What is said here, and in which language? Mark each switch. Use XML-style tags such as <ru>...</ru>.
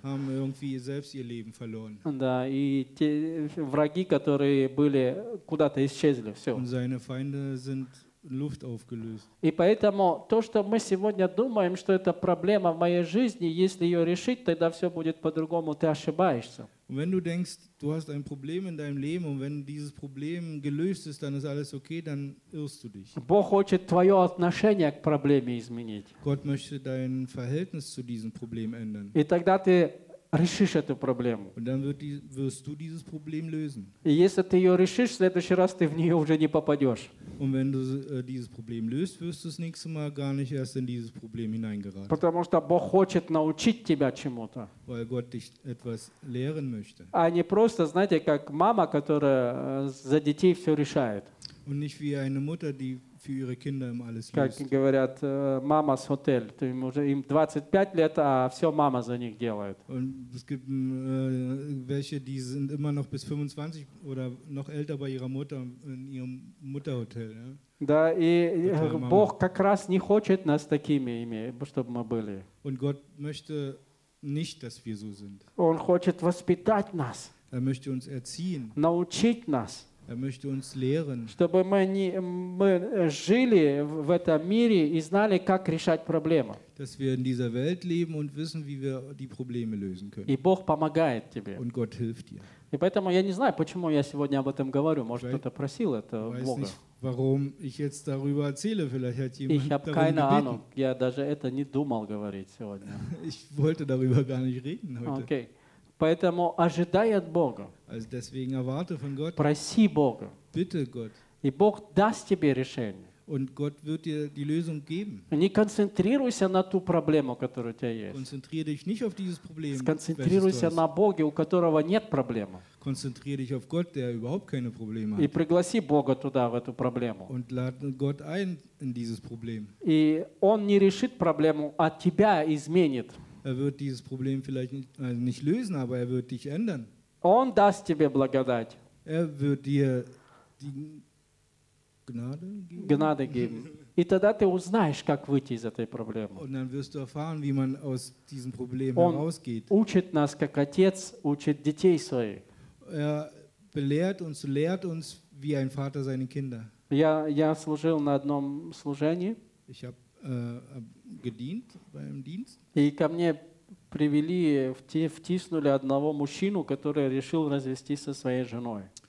<de>Haben irgendwie selbst ihr Leben verloren.</de> <ru>Да, и те враги, которые были, куда-то исчезли, все.</ru> <de>Und seine Feinde sind Luft aufgelöst.</de> <ru>И поэтому то, что мы сегодня думаем, что это проблема в моей жизни, если ее решить, тогда все будет по-другому, ты ошибаешься.</ru> <de>Und wenn du denkst, du hast ein Problem in deinem Leben und wenn dieses Problem gelöst ist, dann ist alles okay, dann irrst du dich.</de> <ru>Бог хочет твое отношение к проблеме изменить.</ru> <de>Gott möchte dein Verhältnis zu diesem Problem ändern.</de> <ru>И тогда ты решишь эту проблему.</ru> <de>Und dann wirst du dieses Problem lösen.</de> <ru>И если ты ее решишь, в следующий раз ты в нее уже не попадешь.</ru> <de>Und wenn du dieses Problem löst, wirst du das nächste Mal gar nicht erst in dieses Problem hineingeraten.</de> <ru>Потому что Бог хочет научить тебя чему-то.</ru> <de>Weil Gott dich etwas lehren möchte.</de> <ru>А не просто, знаете, как мама, которая за детей все решает.</ru> <de>Und nicht wie eine Mutter, die für ihre Kinder immer alles löst.</de> <ru>Как говорят, мама с отель, то им уже 25 лет, а все мама за них делает.</ru> <de>Und es gibt welche, die sind immer noch bis 25 oder noch älter bei ihrer Mutter in ihrem Mutterhotel. Ja?</de> <ru>Да, и Бог как раз не хочет нас такими иметь, чтобы мы были.</ru> <de>Und Gott möchte nicht, dass wir so sind.</de> <ru>Он хочет воспитать нас.</ru> <de>Er möchte uns erziehen.</de> <ru>Научить нас.</ru> <de>Er möchte uns lehren.</de> <ru>Чтобы мы жили в этом мире и знали, как решать проблемы.</ru> <de>Dass wir in dieser Welt leben und wissen, wie wir die Probleme lösen können.</de> <ru>И Бог помогает тебе.</ru> <de>Und Gott hilft dir.</de> <ru>И поэтому я не знаю, почему я сегодня об этом говорю. Может, кто-то просил это Бога.</ru> <de>Weiß nicht, warum ich jetzt darüber erzähle. Vielleicht hat jemand darüber gebeten. Ich habe keine Ahnung.</de> <ru>Я даже это не думал говорить сегодня.</ru> <de>Ich wollte darüber gar nicht reden heute.</de> <ru>Okay. Поэтому ожидай от Бога.</ru> <de>Also deswegen erwarte von Gott.</de> <ru>Проси Бога.</ru> <de>Bitte Gott.</de> <ru>И Бог даст тебе решение.</ru> <de>Und Gott wird dir die Lösung geben.</de> <ru>Не концентрируйся на ту проблему, которая у тебя есть.</ru> <de>Konzentriere dich nicht auf dieses Problem.</de> <ru>Сконцентрируйся на Боге, у которого нет проблемы.</ru> <de>Konzentriere dich auf Gott, der überhaupt keine Probleme hat.</de> <ru>И пригласи Бога туда, в эту проблему.</ru> <de>Und lade Gott ein in dieses Problem.</de> <ru>И он не решит проблему, а тебя изменит.</ru> <de>Er wird dieses Problem vielleicht nicht lösen, aber er wird dich ändern.</de> <ru>Он даст тебе благодать.</ru> <de>Er wird dir die Gnade geben. Gnade geben.</de> <ru>И тогда ты узнаешь, как выйти из этой проблемы.</ru> <de>Und dann wirst du erfahren, wie man aus diesem Problem</de> <ru>Он</ru> <de>herausgeht.</de> <ru>Учит нас, как отец учит детей своих.</ru> <de>Er belehrt uns, lehrt uns, wie ein Vater seine Kinder.</de> <ru>Я служил на одном служении.</ru> <de>Ich habe gedient beim Dienst.</de> <ru>И ко мне привели, втиснули одного мужчину, который решил развестись со своей женой.</ru>